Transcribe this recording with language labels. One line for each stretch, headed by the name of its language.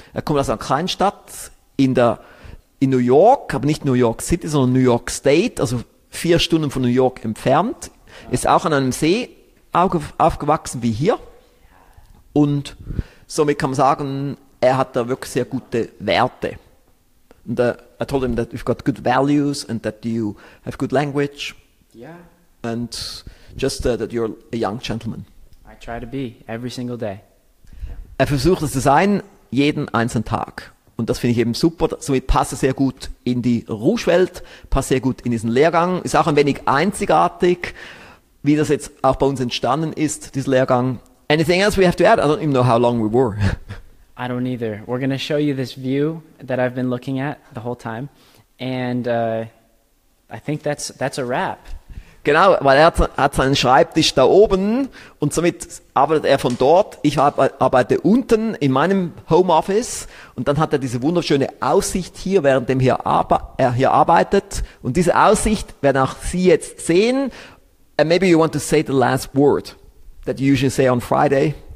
German: Er kommt aus einer Kleinstadt in New York, aber nicht New York City, sondern New York State, also 4 Stunden von New York entfernt. Ist auch an einem See aufgewachsen wie hier und somit kann man sagen, er hat da wirklich sehr gute Werte.
English: And I told him that you've got good values and that you have good language. Yeah. And just that you're a young gentleman. I try to be every single day.
German: Er versucht es zu sein jeden einzelnen Tag und das finde ich eben super. Somit passt er sehr gut in die Rouge-Welt, passt sehr gut in diesen Lehrgang. Ist auch ein wenig einzigartig. Wie das jetzt auch bei uns entstanden ist, dieser Lehrgang.
English: Anything else we have to add? I don't even know how long we were. I don't either. We're going to show you this view that I've been looking at the whole time. And I think that's a wrap.
German: Genau, weil er hat seinen Schreibtisch da oben und somit arbeitet er von dort. Ich arbeite unten in meinem Homeoffice und dann hat er diese wunderschöne Aussicht hier, während er hier arbeitet. Und diese Aussicht werden auch Sie jetzt sehen.
English: And maybe you want to say the last word that you usually say on Friday.